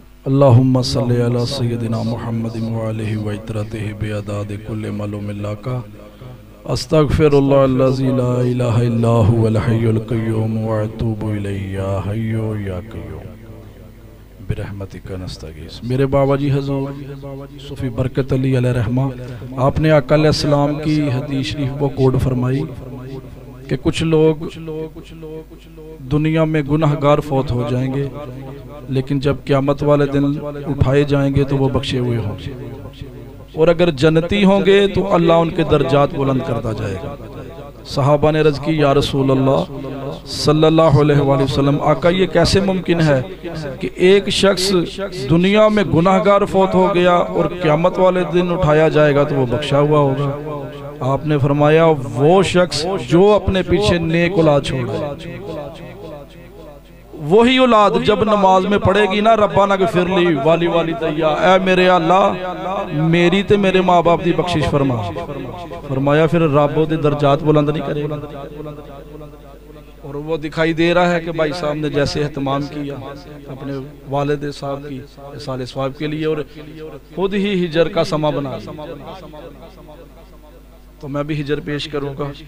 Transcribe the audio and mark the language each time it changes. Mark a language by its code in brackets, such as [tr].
[ar] اللهم صل على سيدنا محمد وعليه وإطراته بأداد كل معلوم اللاقا استغفر الله الذي لا إله إلا هو الحي القيوم وأتوب إليه يا حي يا قيوم برحمتك نستغيث. [ur] میرے بابا جی حضور صوفی برکت علی علیہ الرحمہ آپ نے آقا علیہ السلام کی حدیث شریف کو کوٹ فرمائی کہ کچھ لوگ دنیا میں گناہگار فوت ہو جائیں گے لیکن جب قیامت والے دن اٹھائے جائیں گے تو وہ بخشے ہوئے ہوں گے اور اگر جنتی ہوں گے تو اللہ ان کے درجات بلند کرتا جائے گا. صحابہ نے عرض کی یا رسول اللہ صلی اللہ علیہ وآلہ وسلم آقا یہ کیسے ممکن ہے کہ ایک شخص دنیا میں گناہگار فوت ہو گیا اور قیامت والے دن اٹھایا جائے گا تو وہ بخشا ہوا ہوگا؟ آپ نے فرمایا وہ شخص جو اپنے پیچھے نیک اولاد چھوڑ گئے. وہی اولاد جب نماز میں پڑھے گی نا [ar] ربنا اغفر لی [pa] والی والی تیا اے میرے اللہ میری تے میرے ماں باپ دی بخشش فرما. [ur] فرمایا پھر رب دے درجات بلند نہیں کرے. اور وہ دکھائی دے رہا ہے کہ بھائی صاحب نے جیسے اہتمام کیا اپنے والد صاحب کی اصال ثواب کے لیے اور خود ہی ہجر کا سما بنا لیا. تو میں بھی ہجر پیش کروں گا.